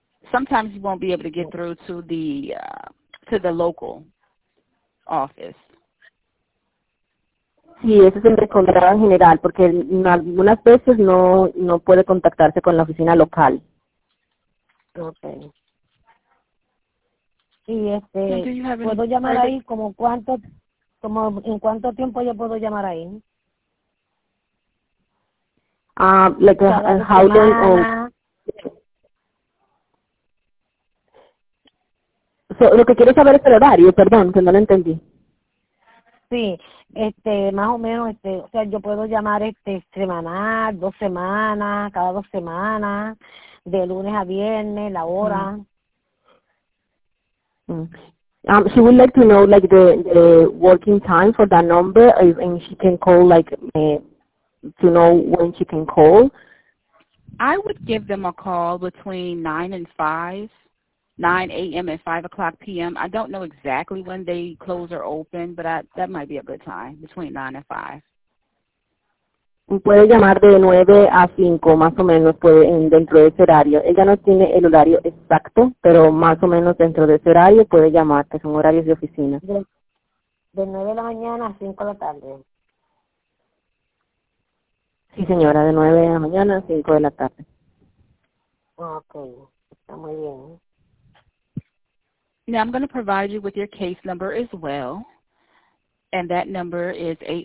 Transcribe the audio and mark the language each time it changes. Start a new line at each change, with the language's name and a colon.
English: Sometimes you won't be able to get through to the local office.
Spanish: Sí, eso es en el condado en general, porque algunas veces no puede contactarse con la oficina local. Okay. Sí, ¿puedo llamar ahí? ¿En cuánto tiempo yo puedo llamar ahí?
English: How long?
Spanish: Lo que quiero saber es el horario, perdón, que no lo entendí. Sí, más o menos, o sea, yo puedo llamar semanal, dos semanas, cada dos semanas, de lunes a viernes, la hora.
English: She would like to know the working time for that number, and she can call to know when she can call. I would give them a call between 9 and 5, 9 a.m. and 5 o'clock p.m. I don't know exactly when they close or open, but that might be a good time, between 9 and 5.
Spanish: Puede llamar de 9 a 5, más o menos, dentro de ese horario. Ella no tiene el horario exacto, pero más o menos dentro de ese horario puede llamar, que son horarios de oficina. De 9 de la mañana a 5 de la tarde. Sí, señora, de 9 de la mañana a 5 de la tarde. Okay, está muy bien.
English: Now I'm going to provide you with your case number as well, and that number is